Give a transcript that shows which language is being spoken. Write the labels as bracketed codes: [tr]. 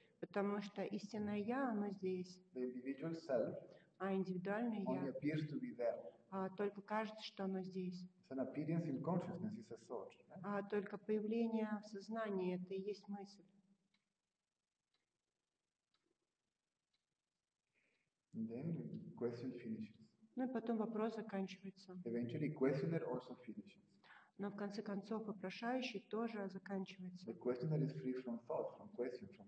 [ru] Потому что истинное я, оно здесь. [en] The individual self. [ru] А индивидуальное я. [en] Only appears to be there. [ru] Только кажется, что оно здесь. [en] It's an appearance in consciousness, it's a thought, right? [ru] А только появление в сознании, это и есть мысль. [en] And then the question finishes. [ru] Ну и потом вопрос заканчивается. [en] Eventually, questioner also finishes. [ru] Но в конце концов вопрошающий тоже заканчивается. [en] The questioner is free from thought, from question,